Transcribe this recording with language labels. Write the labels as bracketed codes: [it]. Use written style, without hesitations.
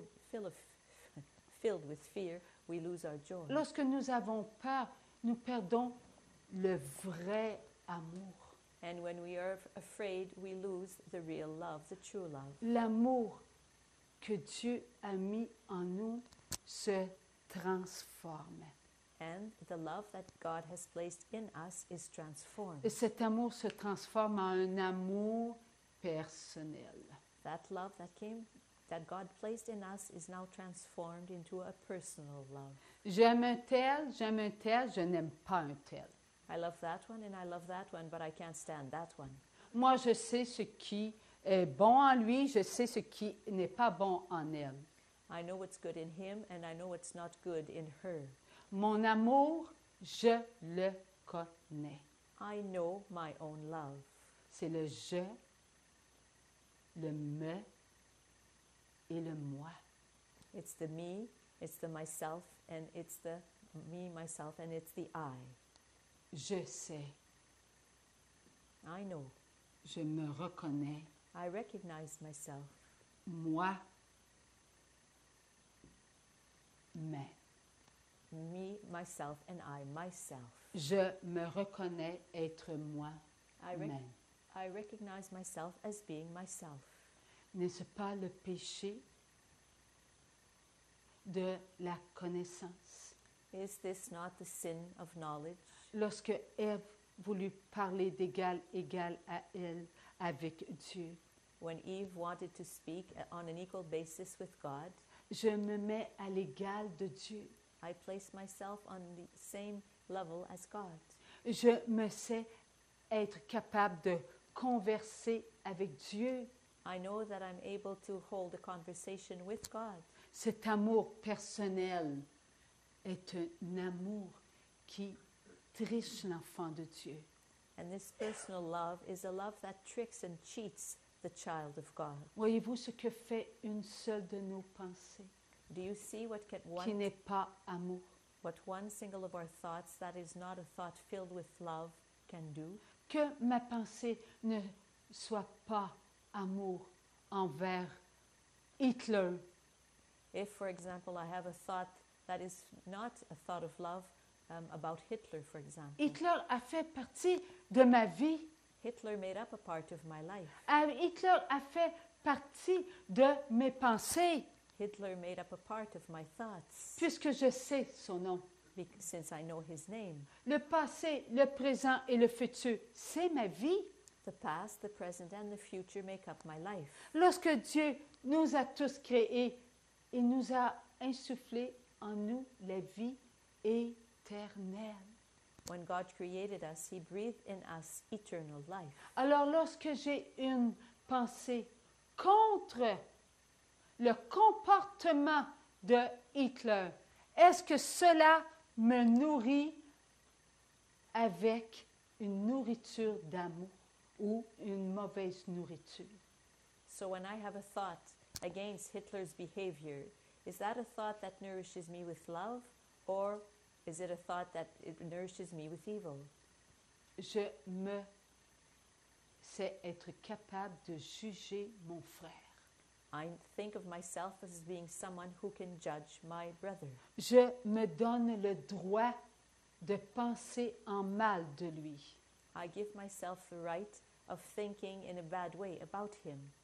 [en] When we are filled with fear, we lose our joy. [fr] Lorsque nous avons peur, nous perdons le vrai amour. [en] And when we are afraid, we lose the real love, the true love. [fr] L'amour que Dieu a mis en nous se transforme. [en] And the love that God has placed in us is transformed. [fr] Et cet amour se transforme en un amour personnel. [en] That love that God placed in us is now transformed into a personal love. [fr] J'aime un tel, je n'aime pas un tel. [en] I love that one and I love that one, but I can't stand that one. [fr] Moi, je sais ce qui est bon en lui, je sais ce qui n'est pas bon en elle. [en] I know what's good in him and I know what's not good in her. [fr] Mon amour, je le connais. [en] I know my own love. [fr] C'est le je, le me et le moi. [en] It's the me, it's the myself, and it's the me, myself, and it's the I. [fr] Je sais. [en] I know. [fr] Je me reconnais. [en] I recognize myself. [fr] Moi. Mais. [en] Me, myself, and I, myself. [fr] Je me reconnais être moi. [en] I recognize myself as being myself. [fr] N'est-ce pas le péché de la connaissance? [en] Is this not the sin of knowledge? [fr] Lorsque Ève voulut parler d'égal égal à elle avec Dieu. [en] When Eve wanted to speak on an equal basis with God, [fr] je me mets à l'égal de Dieu. [en] I place myself on the same level as God. [fr] Je me sais être capable de converser avec Dieu. [en] I know that I'm able to hold a conversation with God. [fr] Cet amour personnel est un amour qui triche l'enfant de Dieu. [en] And this personal love is a love that tricks and cheats the child of God. [fr] Voyez-vous ce que fait une seule de nos pensées? [en] Do you see what can one [fr] qui n'est pas amour? [en] What one single of our thoughts that is not a thought filled with love can do? [fr] Que ma pensée ne soit pas amour envers Hitler. [en] If, for example, I have a thought that is not a thought of love about Hitler, for example. [fr] Hitler a fait partie de ma vie. [en] Hitler made up a part of my life. [fr] Hitler a fait partie de mes pensées. [en] Hitler made up a part of my thoughts. [fr] Puisque je sais son nom. [en] Since I know his name. [fr] Le passé, le présent et le futur, c'est ma vie. [en] The past, the present and the future make up my life. [fr] Lorsque Dieu nous a tous créés, il nous a insufflé en nous la vie éternelle. [en] When God created us, he breathed in us eternal life. [fr] Alors lorsque j'ai une pensée contre le comportement de Hitler, est-ce que cela me nourrit avec une nourriture d'amour ou une mauvaise nourriture? [en] So when I have a thought against Hitler's behavior, is that a thought that nourishes me with love, or is it a thought that it nourishes me with evil? [fr] Je me sais être capable de juger mon frère. [en] I think of myself as being someone who can judge my brother. [fr] Je me donne le droit de penser en mal de lui. [en] I give myself the right of thinking in a bad way about him.